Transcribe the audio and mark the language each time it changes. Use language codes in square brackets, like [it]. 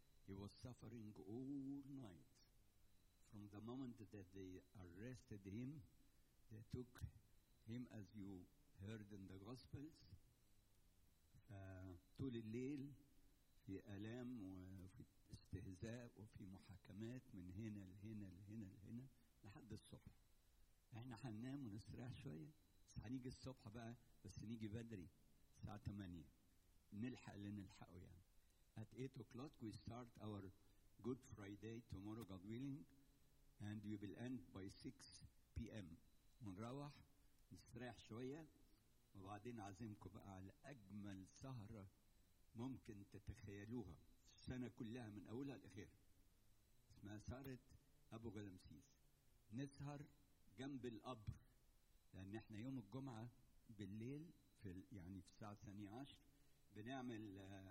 [en] He was suffering all night. From the moment that they arrested him, they took him, as you heard in the Gospels, [ar] طول الليل في ألام وفي استهزاء وفي محاكمات من هنا لهنا لهنا لهنا لحد الصبح. احنا هننام ونستريح شوية بس هنيجي الصبح بقى بس نيجي بدري الساعة 8 نلحق لنلحقه يعني. [en] At 8 o'clock we start our Good Friday tomorrow God willing and we will end by 6 p.m. [ar] ونروح نستريح شوية وبعدين عزمكم بقى على أجمل سهرة ممكن تتخيلوها السنة كلها من أولها لأخير اسمها سهرة أبو غلامسيس. نسهر جنب القبر لأن احنا يوم الجمعة بالليل في يعني في الساعة 12 بنعمل